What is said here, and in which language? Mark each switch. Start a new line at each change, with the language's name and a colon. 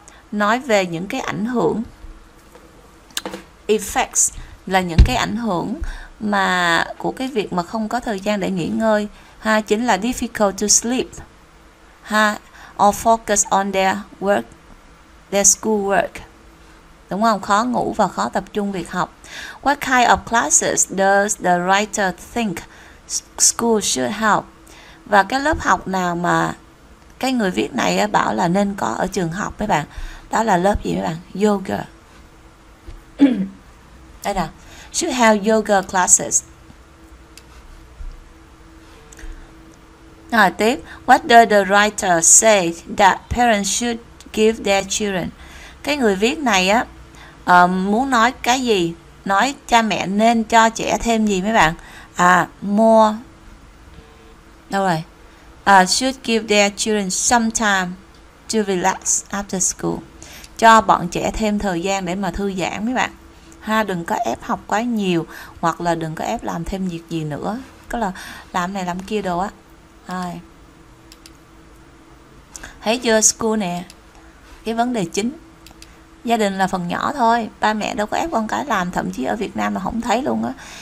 Vietnamese: Nói về những cái ảnh hưởng. Effects là những cái ảnh hưởng mà của cái việc mà không có thời gian để nghỉ ngơi ha, chính là
English: difficult to sleep
Vietnamese: ha,
English: or focus on their work, their school work.
Vietnamese: Đúng không? Khó ngủ và khó tập trung việc học.
English: What kind of classes does the writer think school should have?
Vietnamese: Và cái lớp học nào mà cái người viết này bảo là nên có ở trường học mấy bạn? Đó là lớp gì mấy bạn? Yoga. Đây nè.
English: Should have yoga classes.
Vietnamese: Rồi tiếp.
English: What does the writer say that parents should give their children?
Vietnamese: Cái người viết này á, muốn nói cái gì? Nói cha mẹ nên cho trẻ thêm gì mấy bạn? More. Đâu rồi?
English: Should give their children some time to relax after school.
Vietnamese: Cho bọn trẻ thêm thời gian để mà thư giãn mấy bạn ha, đừng có ép học quá nhiều, hoặc là đừng có ép làm thêm việc gì nữa, tức là làm này làm kia đồ á. Rồi. Thấy chưa, school nè, cái vấn đề chính. Gia đình là phần nhỏ thôi, ba mẹ đâu có ép con cái làm, thậm chí ở Việt Nam là không thấy luôn á.